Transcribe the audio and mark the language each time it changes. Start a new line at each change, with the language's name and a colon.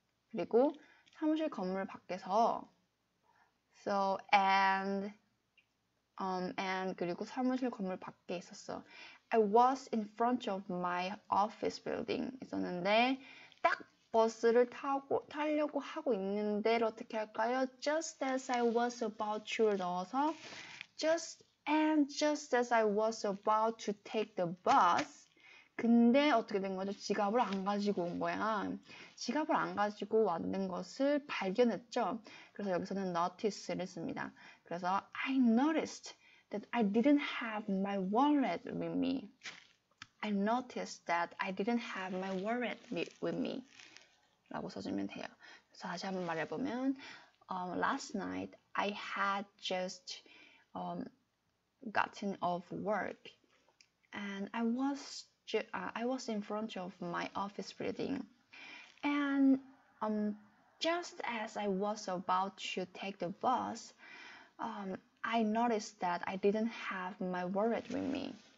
Korean: 그리고 사무실 건물 밖에서
English: so and and
Korean: 그리고 사무실 건물 밖에 있었어.
English: I was in front of my office building.
Korean: 있었는데 딱 버스를 타고 타려고 하고 있는데 어떻게 할까요?
English: Just as I was about to
Korean: 를 넣어서
English: just And just as I was about to take the bus,
Korean: 근데 어떻게 된 거죠? 지갑을 안 가지고 온 거야. 지갑을 안 가지고 왔는 것을 발견했죠. 그래서 여기서는 notice를 씁니다. 그래서
English: I noticed that I didn't have my wallet with me. I noticed that I didn't have my wallet with me.
Korean: 라고 써주면 돼요. 그래서 다시 한번 말해보면,
English: last night I had just gotten off work and I was in front of my office building and just as I was about to take the bus I noticed that I didn't have my wallet with me.